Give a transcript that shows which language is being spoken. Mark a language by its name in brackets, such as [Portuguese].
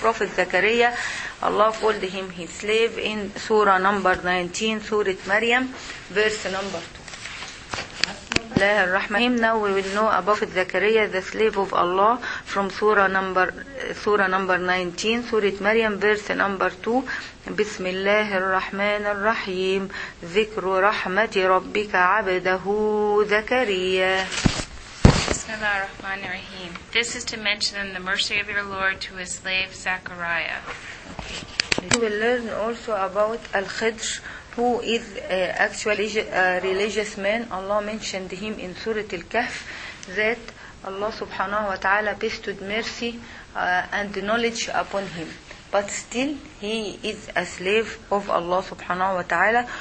[English] Prophet Zakaria, Allah called him his slave in Surah number 19, Surah Maryam, verse number 2. Now we will know about Zakaria, the slave of Allah, from Surah number 19, Surah Maryam, verse number 2. [Arabic] بسم الله الرحمن الرحيم ذكر رحمة ربك عبده زكريا. بسم الله الرحمن الرحيم. [English] This is to mention the mercy of your Lord to his slave Zechariah. We will learn also about Al-Khidr, who is actually a religious man. Allah mentioned him in Surah Al-Kahf that Allah subhanahu wa ta'ala bestowed mercy and knowledge upon him, but still he is a slave of Allah subhanahu wa ta'ala.